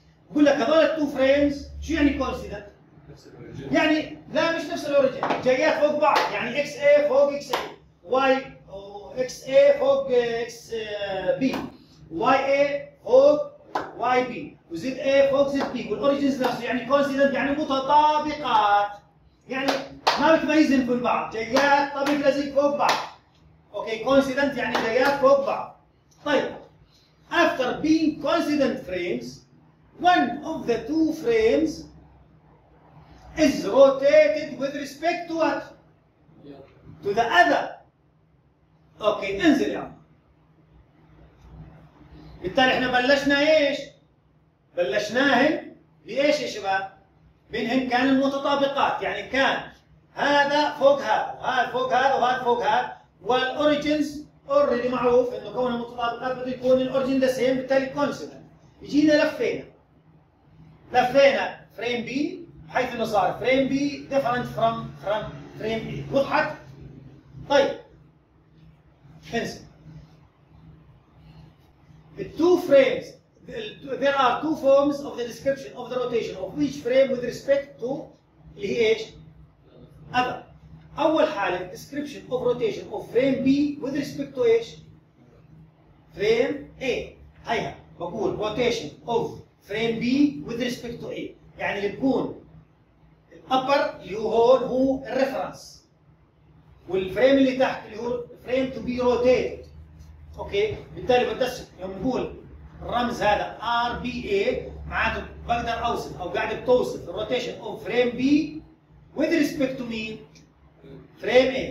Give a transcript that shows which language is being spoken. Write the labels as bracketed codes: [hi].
[ar] بقول لك هذول التو فريمز شو يعني كونسيدنت؟ يعني لا مش نفس الاوريجن جايات فوق بعض، يعني اكس اي فوق اكس اي واي اكس اي فوق اكس بي واي اي فوق واي بي وزد اي فوق زد بي والاوريجنز نفسه يعني كونسيدنت يعني متطابقات يعني ما بتميزن في بعض جايات طبيب لازم فوق بعض. اوكي كونسيدنت يعني جايات فوق بعض. [en] طيب after being coincident frames one of the two frames is rotated with respect to what? to the other. [ar] اوكي انزل يا عم. بالتالي احنا بلشنا ايش؟ بلشناهم بايش يا شباب؟ منهم كان المتطابقات يعني كان هذا فوق هذا وهذا فوق هذا وهذا فوق هذا والاوريجنز اوريدي معروف انه كونها متطابقات بده يكون الاوريجن ذا سيم بالتالي كونسيدنت. جينا لفينا لفينا فريم بي حيث انه صار فريم بي ديفرنت فروم فريم بي. وضحت؟ طيب انزل التو فريمز [en] there are two forms of the description of the rotation of each frame with respect to [ar] اللي هي ايش؟ [en] other. [ar] أول حالة [en] description of rotation of frame B with respect to ايش؟ frame A. [ar] هيها بقول [en] rotation of frame B with respect to A. [ar] يعني اللي بكون الأبر اللي هو هون هو الريفرنس، والفريم اللي تحت اللي هو فريم تو بي روتيت. اوكي، بالتالي بتسق يوم نقول الرمز هذا ار بي اي، معناته بقدر اوصف او قاعد بتوصف الروتيشن اوف فريم بي [en] with respect to [ar] مين؟ فريم اي.